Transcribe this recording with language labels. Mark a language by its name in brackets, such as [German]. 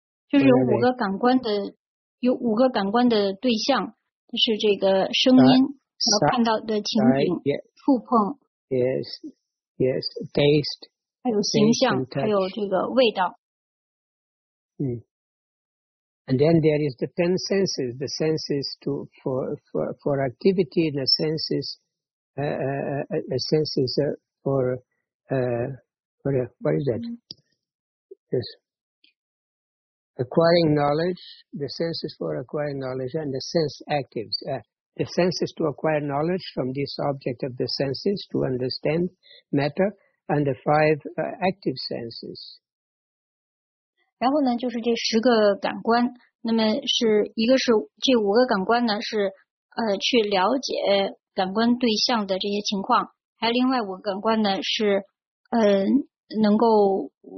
[Chinese] 就是有五个感官的对象，就是这个声音，然后看到的情景， yeah. 触碰。 [English] Yes, taste. [Chinese] 还有形象，还有这个味道。 [English] And then there is the ten senses, the senses to for activity, and the senses, the senses for. What is that? Yes. Acquiring knowledge, the senses for acquiring knowledge and the sense actives. The senses to acquire knowledge from this object of the senses to understand matter and the five active senses. [Chinese] 然后呢就是这十个感官，那么是一个是这五个感官呢是去了解感官对象的这些情况，还有另外五个感官呢是能够